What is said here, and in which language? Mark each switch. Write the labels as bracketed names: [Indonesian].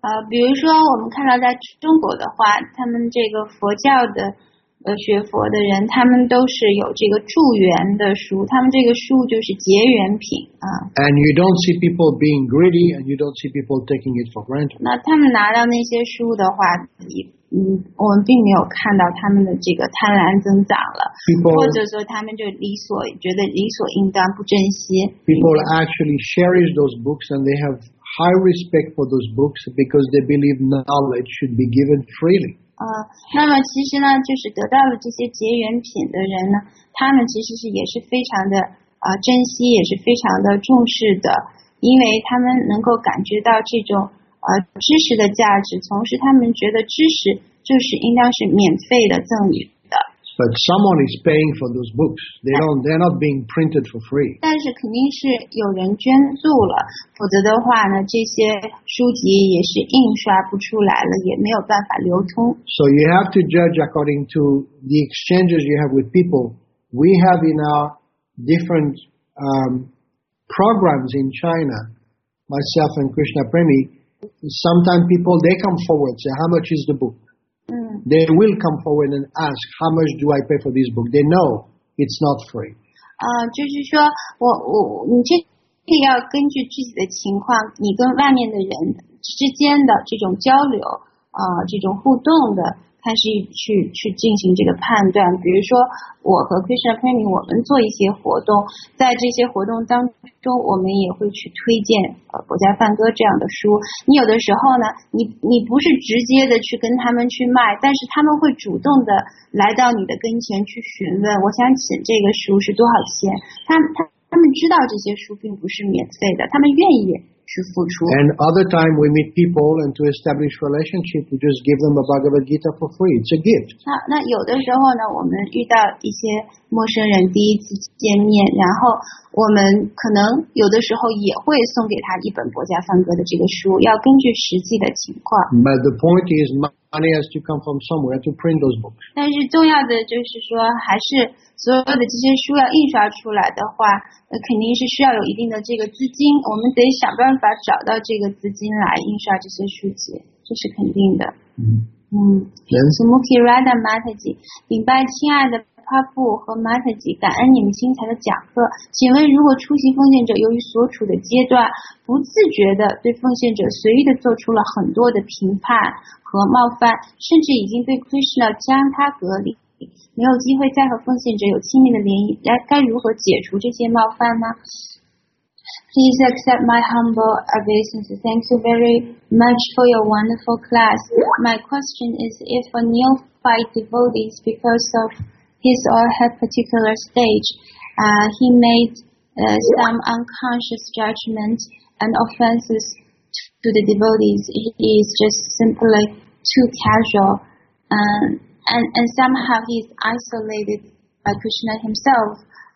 [Chinese] 比如说我们看到在中国的话，他们这个佛教的学佛的人，他们都是有这个助缘的书，他们这个书就是结缘品啊。 [English] And you don't see people being greedy, and you don't see people taking it for granted. [Chinese] 那他们拿到那些书的话，我们并没有看到他们的这个贪婪增长了， [English] people, [Chinese] 或者说他们就觉得理所应当不珍惜。 [English] People actually cherish those books, and they have high respect for those books because they believe knowledge should be given freely. [Chinese] 那么其实呢，就是得到了这些结缘品的人呢，他们其实是也是非常的珍惜，也是非常的重视的，因为他们能够感觉到这种知识的价值，同时他们觉得知识就是应当是免费的赠予的。 [English] But someone is paying for those books. They're not being printed for free. [Chinese] 但是肯定是有人捐助了，否则的话呢，这些书籍也是印刷不出来了，也没有办法流通。 [English] So you have to judge according to the exchanges you have with people. We have in our different programs in China, myself and Krishna Premi, sometimes people, they come forward, say, how much is the book? They will come forward and ask, how much do I pay for this book? They know it's not free. [Chinese] 就是说我你这个要根据自己的情况，你跟外面的人之间的这种交流，这种互动的，开始去进行这个判断。比如说我和 Krishna Premi 我们做一些活动，在这些活动当中我们也会去推荐国家梵歌这样的书。你有的时候呢，你不是直接的去跟他们去卖，但是他们会主动的来到你的跟前去询问，我想请这个书是多少钱。他们知道这些书并不是免费的，他们愿意去付出。 [English] And other time we meet people and to establish relationship, we just give them a Bhagavad Gita for free. It's a gift. [Chinese] 那有的时候呢，我们遇到一些陌生人第一次见面，然后我们可能有的时候也会送给他一本国家梵歌的这个书，要根据实际的情况。 [English] But the point is money has to come from somewhere to print those books. [Chinese] 但是重要的就是说，还是所有的这些书要印刷出来的话，肯定是需要有一定的这个资金，我们得想办法找到这个资金来印刷这些书籍，这是肯定的。 Sumukhi Radha Mataji， 顶拜亲爱的帕布和 Mataji， 感恩你们精彩的讲课。请问，如果出席奉献者由于所处的阶段，不自觉的对奉献者随意的做出了很多的评判和冒犯，甚至已经对 Krishna 将他隔离，没有机会再和奉献者有亲密的联谊，该如何解除这些冒犯呢？ [English] Please accept my humble obeisance. Thank you very much for your wonderful class. My question is, if a neophyte devotee is because of his or her particular stage, he made some unconscious judgment and offenses to the devotees, he is just simply too casual, And somehow he is isolated by Krishna himself.